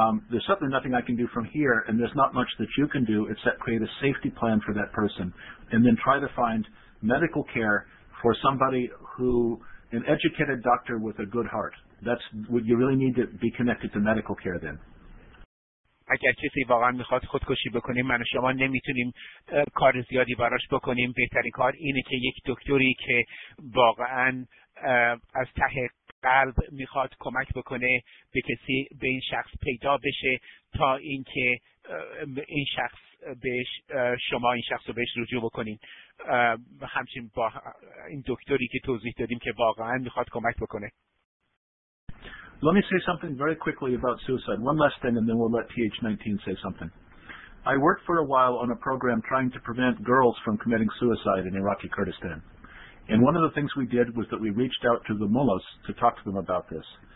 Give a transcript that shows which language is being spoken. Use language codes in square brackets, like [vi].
[en] There's certainly nothing I can do from here, and there's not much that you can do except create a safety plan for that person and then try to find medical care for somebody who, an educated doctor with a good heart. That's what you really need to be connected to medical care then. [fa] اگر کسی واقعا میخواد خودکشی بکنه، من و شما نمیتونیم کار زیادی براش بکنیم. بهترین کار اینه که یک دکتری که واقعا از ته قلب میخواد کمک بکنه به کسی، به این شخص پیدا بشه تا اینکه این شخص بهش، شما این شخص رو بهش رجوع بکنین. همچنین با این دکتری که توضیح دادیم که واقعا میخواد کمک بکنه. [en] Let me say something very quickly about suicide. One last thing, and then we'll let TH19 say something. I worked for a while on a program trying to prevent girls from committing suicide in Iraqi Kurdistan. And one of the things we did was that we reached out to the mullahs to talk to them about this.